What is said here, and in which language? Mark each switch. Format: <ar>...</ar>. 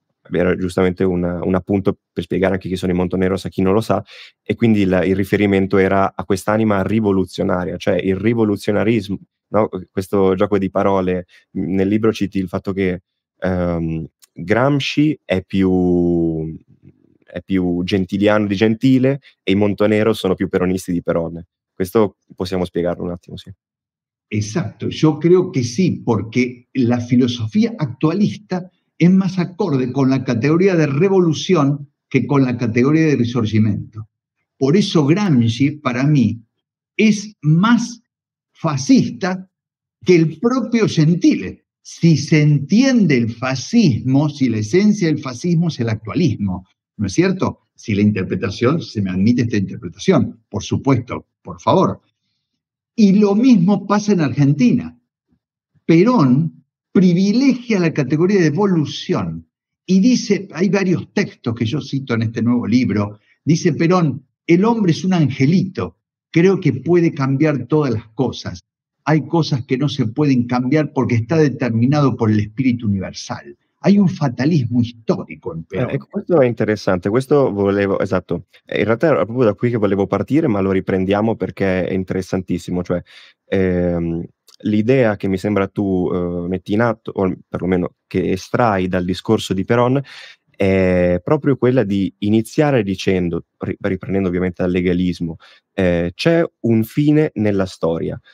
<it>era giustamente un appunto per spiegare anche chi sono i Montoneros a chi non lo sa, e quindi il riferimento era a quest'anima rivoluzionaria, cioè il rivoluzionarismo, no? Questo gioco di parole. Nel libro citi il fatto che Gramsci è più gentiliano di Gentile e i Montoneros sono più peronisti di Perone. Questo possiamo spiegarlo un attimo, sì. Esatto,</it> <es>yo creo que sí, porque la filosofía actualista es más acorde con la categoría de revolución que con la categoría de Risorgimento. Por eso Gramsci, para mí, es más fascista que el propio Gentile. Si se entiende el fascismo, si la esencia del fascismo es el actualismo, ¿no es cierto? Si la interpretación, se me admite esta interpretación, por supuesto, por favor. Y lo mismo pasa en Argentina. Perón privilegia la categoría de evolución y dice, hay varios textos que yo cito en este nuevo libro, dice Perón, el hombre es un angelito, creo que puede cambiar todas las cosas. Hay cosas que no se pueden cambiar porque está determinado por el espíritu universal. Hay un fatalismo histórico en Perón.</es> <it>Questo è interessante, questo volevo, esatto, in realtà era proprio da qui che volevo partire, ma lo riprendiamo perché è interessantissimo, cioè l'idea che mi sembra tu metti in atto, o perlomeno che estrai dal discorso di Perón, è proprio quella di iniziare dicendo, riprendendo ovviamente dal legalismo, c'è un fine nella storia.</it>